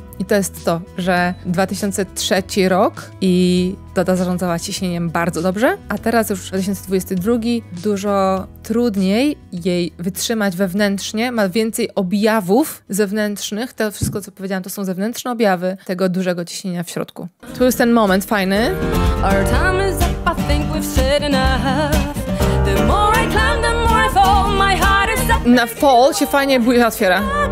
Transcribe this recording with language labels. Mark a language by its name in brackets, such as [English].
[Polish] I to jest to, że 2003 rok i Doda zarządzała ciśnieniem bardzo dobrze, a teraz już 2022 dużo trudniej jej wytrzymać wewnętrznie, ma więcej objawów zewnętrznych. To wszystko, co powiedziałam, to są zewnętrzne objawy tego dużego ciśnienia w środku. Tu jest ten moment fajny. [English] Our time is up, I think we've said enough. The more I climb, the more I fall. My heart is up. [Polish] Na fall się fajnie buja otwiera.